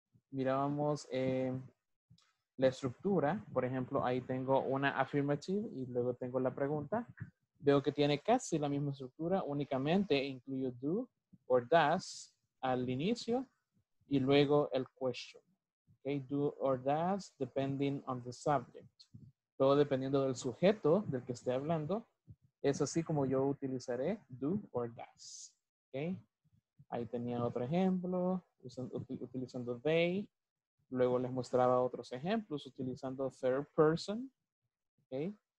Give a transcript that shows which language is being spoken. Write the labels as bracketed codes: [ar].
[es] Mirábamos la estructura, por ejemplo, ahí tengo una affirmative y luego tengo la pregunta. Veo que tiene casi la misma estructura, únicamente incluyo do or does al inicio y luego el question. [en] Okay, do or does, depending on the subject. [es] Todo dependiendo del sujeto del que esté hablando. Es así como yo utilizaré do or does. Okay. Ahí tenía otro ejemplo, utilizando they. Luego les mostraba otros ejemplos, utilizando third person. Okay.